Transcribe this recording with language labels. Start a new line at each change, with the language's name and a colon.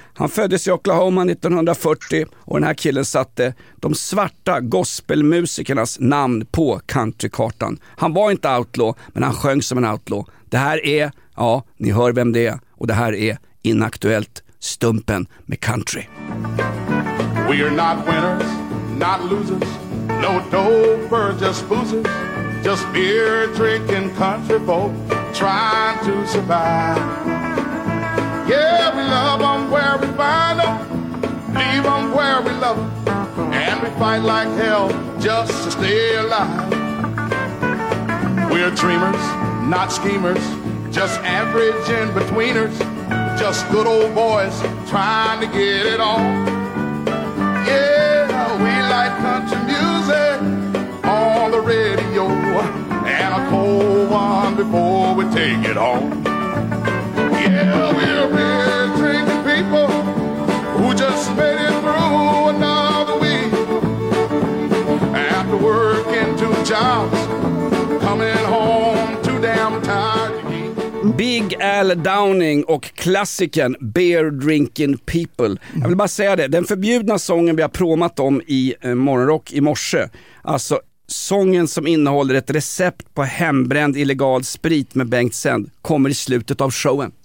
Swedish: Han föddes i Oklahoma 1940 och den här killen satte de svarta gospelmusikernas namn på countrykartan. Han var inte outlaw, men han sjöng som en outlaw. Det här är, ja, ni hör vem det är, och det här är Inaktuellt, Stumpen med country.
English: We are not winners, not losers. No dope, just boozers. Just beer drinking country folk trying to survive. Yeah, we love them where we find them. Leave them where we love them. And we fight like hell just to stay alive. We're dreamers, not schemers. Just average in-betweeners. Just good old boys trying to get it on. Yeah, we like country music on the radio. And a cold one before we take it home. Yeah, we're beer drinking people who just made it through another week. After working two jobs, coming home too damn tired.
Swedish: Big Al Downing och klassiken Beer Drinking People. Jag vill bara säga det, den förbjudna sången vi har promat om i morgonrock i morse. Alltså sången som innehåller ett recept på hembränd illegal sprit med Bengt Sänd kommer i slutet av showen.